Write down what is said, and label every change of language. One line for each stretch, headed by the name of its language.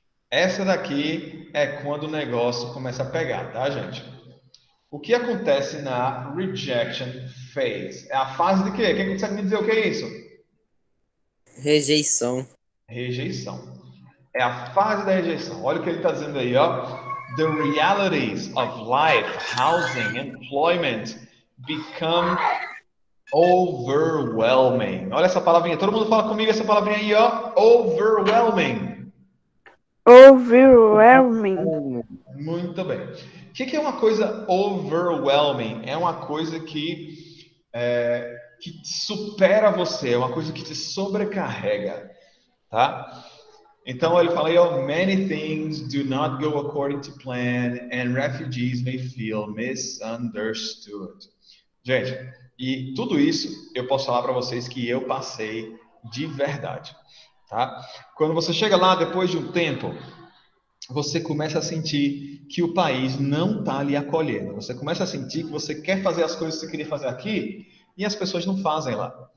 Portuguese: Essa daqui é quando o negócio começa a pegar, tá, gente? O que acontece na rejection phase? É a fase de quê? Quem consegue me dizer o que é isso? Rejeição. Rejeição. É a fase da rejeição. Olha o que ele está dizendo aí, ó.
English: The realities of life, housing, employment become overwhelming.
Portuguese: Olha essa palavrinha. Todo mundo fala comigo essa palavrinha aí, ó.
English: Overwhelming. Overwhelming.
Portuguese: Muito bem. O que é uma coisa overwhelming? É uma coisa que supera você. É uma coisa que te sobrecarrega, tá? Então ele fala aí, ó.
English: Many things do not go according to plan and refugees may feel misunderstood.
Portuguese: Gente. E tudo isso eu posso falar para vocês que eu passei de verdade, tá? Quando você chega lá depois de um tempo, você começa a sentir que o país não tá lhe acolhendo. Você começa a sentir que você quer fazer as coisas que você queria fazer aqui e as pessoas não fazem lá.